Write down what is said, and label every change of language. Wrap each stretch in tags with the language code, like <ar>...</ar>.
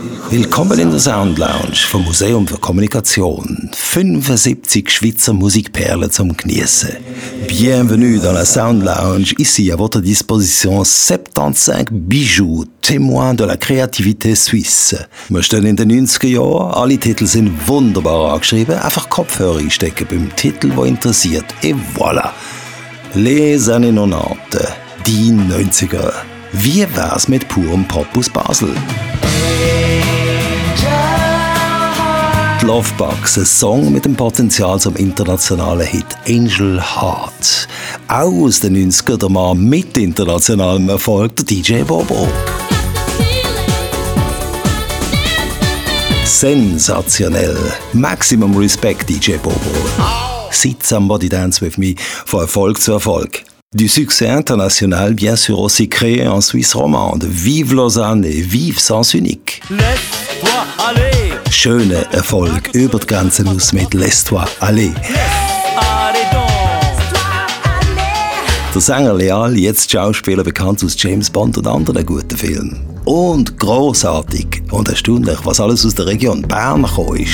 <de>Willkommen in der Sound Lounge vom Museum für Kommunikation. 75 Schweizer Musikperlen zum Geniessen.</de> <fr>Bienvenue dans la Sound Lounge. Ici à votre disposition 75 Bijoux, témoins de la créativité suisse.</fr> <de>Wir stehen in den 90er Jahren. Alle Titel sind wunderbar angeschrieben. Einfach Kopfhörer einstecken beim Titel, der interessiert.</de> <fr>Et voilà. Les années 90.</fr> <de>Die 90er. Wie wär's mit purem Pop aus Basel? Lovebox, ein Song mit dem Potenzial zum internationalen Hit Angel Heart. Auch aus den 90er der Mann mit internationalem Erfolg, DJ Bobo. Sensationell. Maximum Respect, DJ Bobo. Sit somebody dance with me, von Erfolg zu Erfolg.</de> <fr>Du succès international, bien sûr, aussi créé en Suisse romande. Vive Lausanne et vive Sens Unique. Laisse-toi aller.</fr> <de>Schöne Erfolg über die Grenzen aus mit Laisse-toi aller. Der Sänger Leal, jetzt Schauspieler, bekannt aus James Bond und anderen guten Filmen. Und grossartig und erstaunlich, was alles aus der Region Bern gekommen ist.</de>